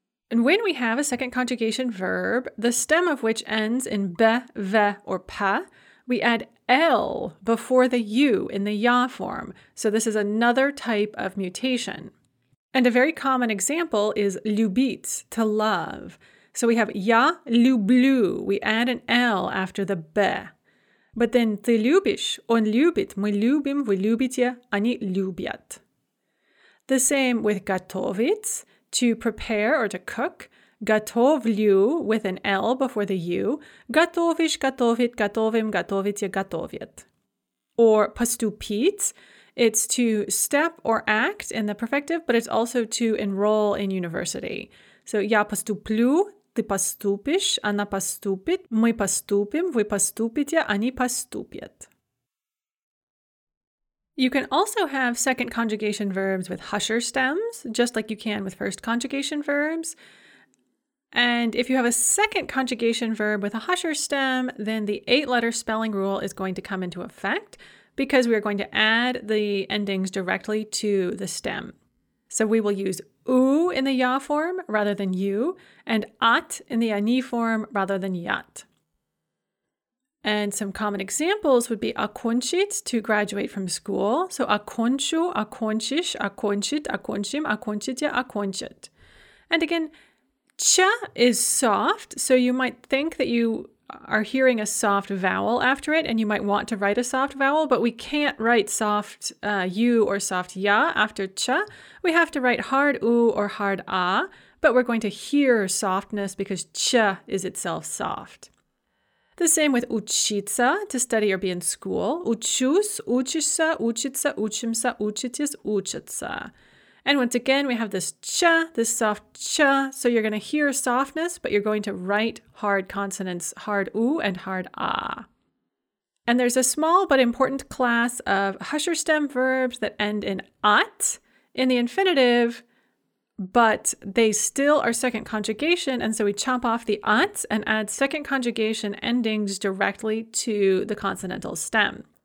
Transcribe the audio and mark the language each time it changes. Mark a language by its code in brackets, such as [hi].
[en] And when we have a second conjugation verb, the stem of which ends in b, v, or p, we add l before the u in the ya form. So this is another type of mutation. And a very common example is любить, to love. So we have [ru] я люблю. [en] We add an L after the б. But then [ru] ты любишь, он любит, мы любим, вы любите, они любят. [en] The same with готовить, to prepare or to cook. Готовлю with an L before the U. [ru] Готовишь, готовит, готовим, готовите, готовят. [en] Or поступить, it's to step or act in the perfective, but it's also to enroll in university. So [ru] я поступлю, ты поступишь, она поступит, мы поступим, вы поступите, они поступят. [en] You can also have second conjugation verbs with husher stems, just like you can with first conjugation verbs. And if you have a second conjugation verb with a husher stem, then the 8-letter spelling rule is going to come into effect because we are going to add the endings directly to the stem. So we will use у in the я form rather than ю, and ат in the они form rather than ят. And some common examples would be окончить, to graduate from school. [ru] So окончу, окончишь, окончить, окончим, окончите, окончит. [en] And again, ч is soft, so you might think that you are hearing a soft vowel after it and you might want to write a soft vowel, but we can't write soft u or soft ya after ч. We have to write hard u or hard a, but we're going to hear softness because ч is itself soft. The same with учиться, to study or be in school. [ru] Учусь, учишься, учиться, учимся, учитесь, учатся. [en] And once again, we have this ч, this soft ч, so you're going to hear softness, but you're going to write hard consonants, hard у and hard а. And there's a small but important class of husher stem verbs that end in ат in the infinitive, but they still are second conjugation, and so we chop off the ат and add second conjugation endings directly to the consonantal stem.